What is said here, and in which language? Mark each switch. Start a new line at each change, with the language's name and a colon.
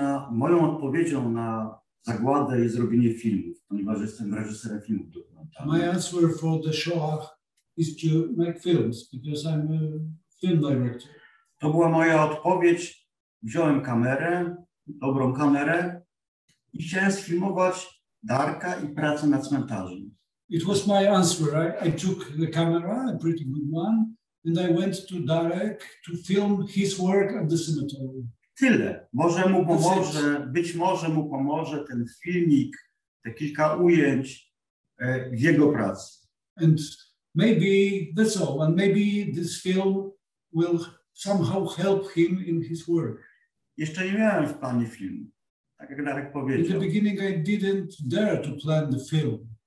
Polish: Moją odpowiedzią na zagładę jest robienie filmów, ponieważ jestem reżyserem filmów dokumentalnych.
English: My answer for the Shoah is to make films, because I'm a film director.
Polish: To była moja odpowiedź. Wziąłem kamerę, dobrą kamerę i chciałem sfilmować Darka i pracę na cmentarzu.
English: It was my answer. I took the camera, a pretty good one, and I went to Darek to film his work at the cemetery.
Polish: Tyle. Może mu pomoże, być może mu pomoże ten filmik, te kilka ujęć w jego pracy.
English: And maybe that's all. And maybe this film will somehow help him in his work.
Polish: Jeszcze nie miałem w planie film, tak jak Darek powiedział.
English: In the beginning, I didn't dare to plan the film.